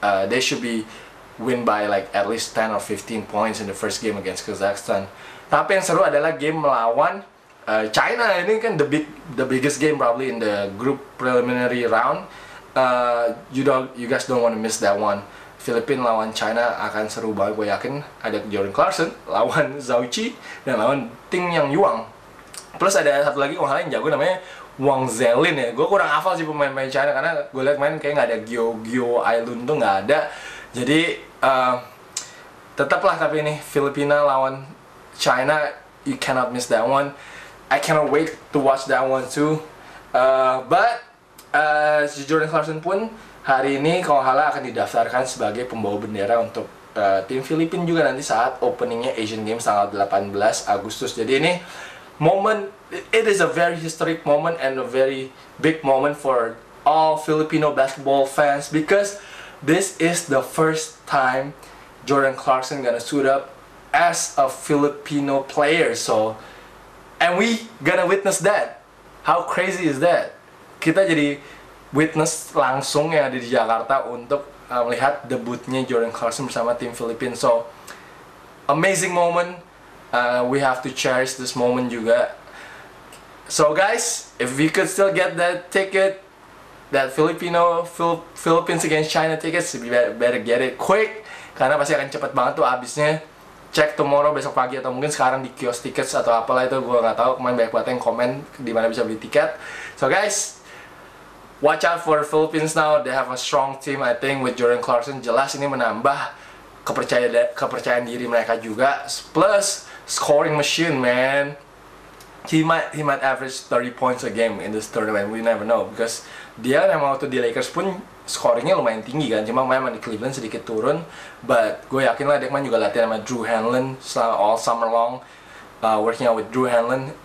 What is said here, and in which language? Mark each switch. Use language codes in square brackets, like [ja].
[en] They should be win by like at least 10 or 15 points in the first game against Kazakhstan. [id] Tapi yang seru adalah game melawan China. Ini kan [en] the biggest game probably in the group preliminary round. You guys don't want to miss that one. [id] Filipina lawan China akan seru banget. Gue yakin ada Jordan Clarkson lawan Zhao Qi dan lawan Ting Yang Yuang. Plus ada satu lagi orang yang jago namanya Wang Zelin ya. Gue kurang hafal sih pemain-pemain China karena gue liat main kayak gak ada Gio Ailun tuh, gak ada. Jadi tetaplah, tapi ini Filipina lawan China, [en] you cannot miss that one. I cannot wait to watch that one too. [id] But Jordan Clarkson pun hari ini kalau salah akan didaftarkan sebagai pembawa bendera untuk tim Filipina juga nanti saat openingnya Asian Games tanggal 18 Agustus. Jadi ini moment, [en] it is a very historic moment and a very big moment for all Filipino basketball fans, because this is the first time Jordan Clarkson gonna suit up as a Filipino player, so, and we gonna witness that. How crazy is that? [id] Kita jadi witness langsung ya di Jakarta untuk melihat debutnya Jordan Clarkson bersama tim Filipina. [en] So, amazing moment. We have to cherish this moment juga. So guys, if we could still get that ticket, that Philippines against China tickets, we better get it quick, [id] karena pasti akan cepet banget tuh abisnya. [en] Check tomorrow, [id] besok pagi, atau mungkin sekarang di kios tickets atau apalah itu, gue gak tahu. Kemarin banyak banget yang komen di mana bisa beli tiket. [en] So guys, watch out for Philippines now. They have a strong team, I think, with Jordan Clarkson. [id] Jelas ini menambah kepercayaan diri mereka juga. [en] Plus, scoring machine, man. He might average 30 points a game in this tournament. We never know, because [id] dia yang waktu di Lakers pun scoringnya lumayan tinggi kan, cuma memang di Cleveland sedikit turun. [en] But [id] gue yakin lah Dekman juga latihan sama [en] Drew Hanlon all summer long, working out with Drew Hanlon.